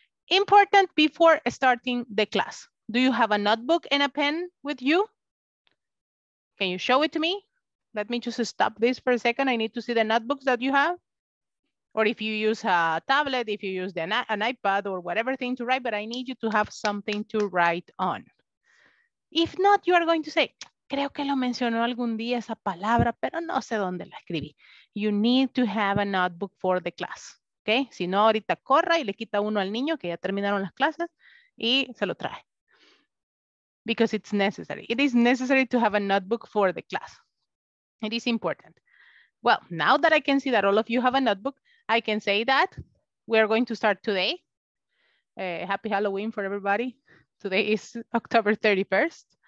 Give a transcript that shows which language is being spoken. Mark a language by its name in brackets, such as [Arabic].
[English] Important before starting the class. Do you have a notebook and a pen with you? Can you show it to me? Let me just stop this for a second. I need to see the notebooks that you have. Or if you use a tablet, if you use an iPad or whatever thing to write, but I need you to have something to write on. If not, you are going to say, [Spanish] creo que lo mencionó algún día esa palabra, pero no sé dónde la escribí. [English] You need to have a notebook for the class. [Spanish] ¿Ok? Si no, ahorita corra y le quita uno al niño que ya terminaron las clases y se lo trae. [English] Because it's necessary. It is necessary to have a notebook for the class. It is important. Well, now that I can see that all of you have a notebook, I can say that we are going to start today. Happy Halloween for everybody. Today is October 31st.